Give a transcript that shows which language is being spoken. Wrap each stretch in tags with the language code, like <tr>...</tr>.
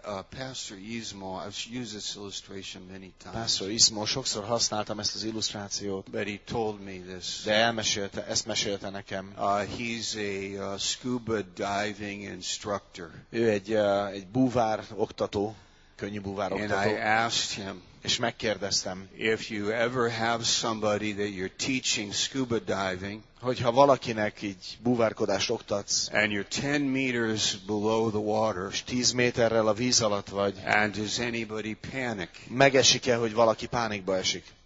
<en>Pastor Izmo, I've used this illustration many times.</en> <hu>Pastor Izmo, sokszor használtam ezt az illusztrációt.</hu> <en>But he told me this.</en> <hu>De elmesélte, ezt mesélte nekem.</hu> <en>He's a scuba diving instructor.</en> <hu>Ő egy búvár oktató, könnyű búvár oktató.</hu> <en>And I asked him.</en> <hu>És megkérdeztem.</hu> <en>If you ever have somebody that you're teaching scuba diving,</en> <hu>hogyha valakinek így búvárkodást oktatsz,</hu> <en>and you're 10 meters below the water,</en> <hu>és 10 méterrel a víz alatt vagy,</hu> <en>and does anybody panic?</en> <hu>Megesik-e, hogy valaki pánikba esik?</hu>